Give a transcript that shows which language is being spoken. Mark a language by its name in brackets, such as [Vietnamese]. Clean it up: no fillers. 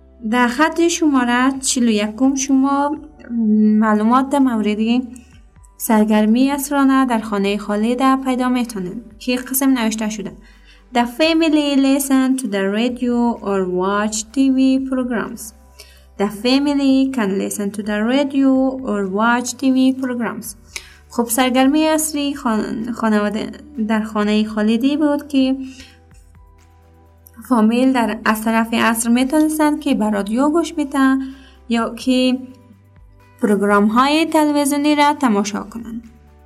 [Persian] در خط شماره 41 شما معلومات در مورد سرگرمی عصرانه در خانه خالد پیدا میتونید که قسم نوشته شده The family listen to the radio or watch TV programs. [English] The family can listen to the radio or watch TV programs. [Persian] خب سرگرمی عصری خانواده در خانه خالدی بود که فامیل در از طرف عصر میتونستن که بر رادیو گوش بدن یا که پروگرام های تلویزیونی را تماشا کنن.